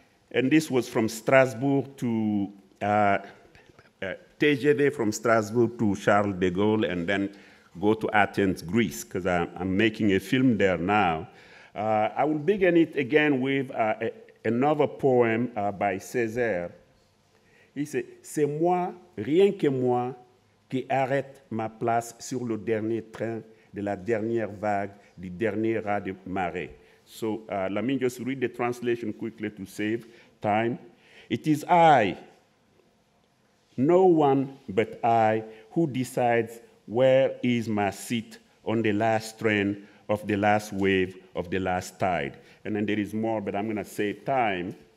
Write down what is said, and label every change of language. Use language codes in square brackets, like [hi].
[en] And this was from Strasbourg to TGV, from Strasbourg to Charles de Gaulle, and then go to Athens, Greece, because I'm making a film there now. I will begin it again with another poem by Césaire. He said, [fr] c'est moi, rien que moi, qui arrête ma place sur le dernier train de la dernière vague du dernier ras de marée. [en] So let me just read the translation quickly to save time. It is I, no one but I, who decides where is my seat on the last train of the last wave of the last tide. And then there is more, but I'm going to save time.